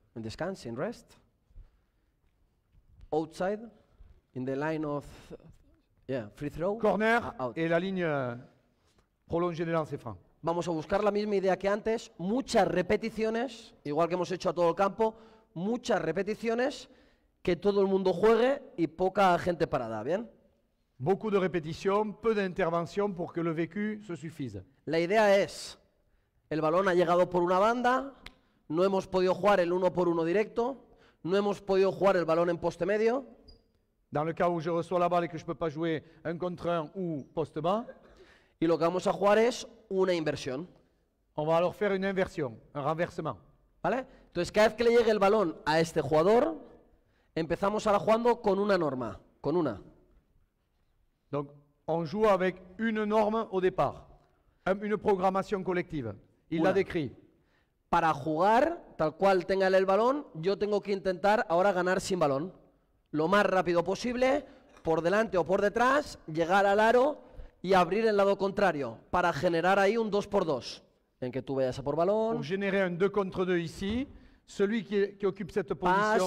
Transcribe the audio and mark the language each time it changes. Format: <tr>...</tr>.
<es>En descanso,</es> <en>en rest. Outside, in the line of free throw.</en> <es>Corner y la línea prolongada de lance franc. Vamos a buscar la misma idea que antes. Muchas repeticiones, igual que hemos hecho a todo el campo. Muchas repeticiones, que todo el mundo juegue y poca gente parada, ¿bien?</es> <fr>Beaucoup de repetición, peu d'intervention pour que le vécu se suffise.</fr> <es>La idea es, el balón ha llegado por una banda. No hemos podido jugar el uno por uno directo. No hemos podido jugar el balón en poste medio.</es> <fr>Dans le cas où je reçois la balle et que je peux pas jouer un contre un ou poste bas.</fr> <es>Y lo que vamos a jugar es una inversión.</es> <fr>On va alors faire une inversion, un renversement.</fr> <es>¿Vale? Entonces, cada vez que le llegue el balón a este jugador, empezamos ahora jugando con una norma, con una.</es> <fr>Donc, on joue avec une norme au départ. Une programmation collective. Il l'a décrit.</fr> <es>Para jugar, tal cual tenga el balón, yo tengo que intentar ahora ganar sin balón. Lo más rápido posible, por delante o por detrás, llegar al aro y abrir el lado contrario. Para generar ahí un 2x2. En que tú vayas a por balón.</es> <fr>Pour générer un 2 contre 2 ici, celui qui occupe cette position.</fr>